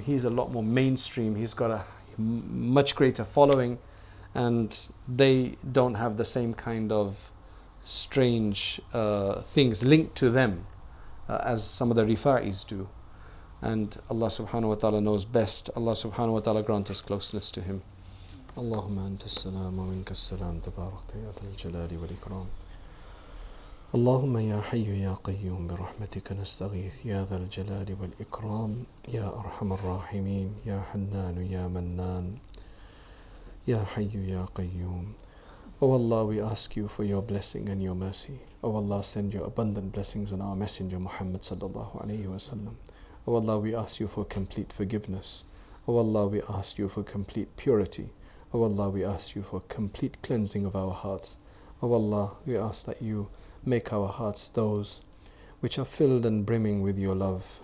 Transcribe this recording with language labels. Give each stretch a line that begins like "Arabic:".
English: He's a lot more mainstream. He's got a much greater following, and they don't have the same kind of strange things linked to them as some of the Rifa'is do. And Allah subhanahu wa ta'ala knows best. Allah subhanahu wa ta'ala grant us closeness to him.
Arabic: اللهم أنت السلام ومنك السلام تبارك يا ذا الجلال والإكرام اللهم يا حي يا قيوم برحمتك نستغيث يا ذا الجلال والإكرام يا أرحم الراحمين يا حنان يا منان يا حي يا قيوم
English: Oh Allah, we ask you for your blessing and your mercy. Oh Allah, send your abundant blessings on our messenger Muhammad sallallahu alayhi wa sallam. Oh Allah, we ask you for complete forgiveness. Oh Allah, we ask you for complete purity. Oh Allah, we ask you for complete cleansing of our hearts. Oh Allah, we ask that you make our hearts those which are filled and brimming with your love.